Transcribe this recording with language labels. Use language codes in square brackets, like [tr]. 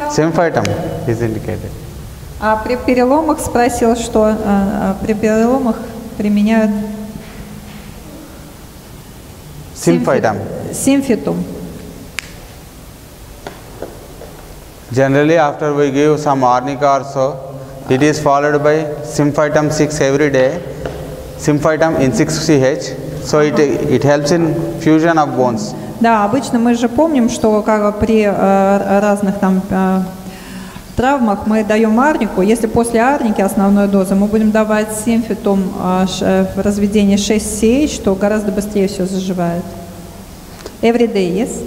[en] Symphytum is indicated. [ru] А при переломах спросил, что при переломах применяют? [en] Symphytum. Symphytum. Generally, after we give some arnica or so, it is followed by Symphytum 6 every day, Symphytum in 6CH, so it helps in fusion of bones. [ru] Да, обычно мы же помним, что как при разных там травмах мы даем арнику, если после арники основной дозы, мы будем давать симфитум в разведении 6 сеч, то гораздо быстрее все заживает. [en] Every day, yes?